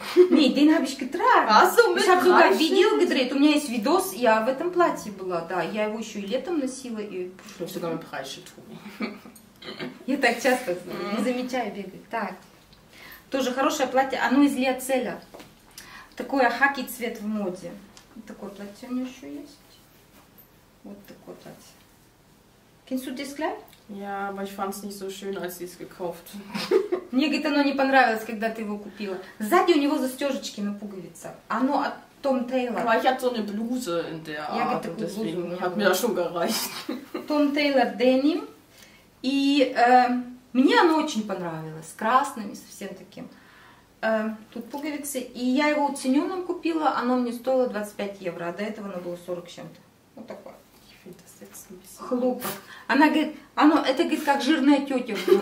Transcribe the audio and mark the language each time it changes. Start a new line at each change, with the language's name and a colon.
Russian: Нет,
German: den habe ich getragen. Ich habe sogar Video gedreht.
Russian: У меня есть видос, я в этом платье была, да. Я его еще и летом носила.
German: Ich habe sogar ein Preisschild.
Russian: Я так часто не замечаю, бегаю. Так. Тоже хорошее платье. Оно из Лиацеля. Такое хаки цвет в моде. Такое платье у меня еще есть. Вот такое платье.
German: Kennst du das Kleid? Ja, aber ich fand es nicht so schön, als ich es gekauft.
Russian: Мне, говорит, оно не понравилось, когда ты его купила. Сзади у него застежечки на пуговицах. Оно от Tom Taylor.
German: Aber ich hatte so eine Bluse in der Art.
Russian: Я, говорит, такую блузу у меня.
German: Hat mir das schon gereicht. Tom Taylor Denim.
Russian: И мне оно очень понравилось. Красным и совсем таким. Тут пуговицы. И я его уцененным купила. Оно мне стоило 25 евро. А до этого оно было 40 чем-то. Вот такое. Хлопок. Она говорит, оно, это говорит, как жирная тетя.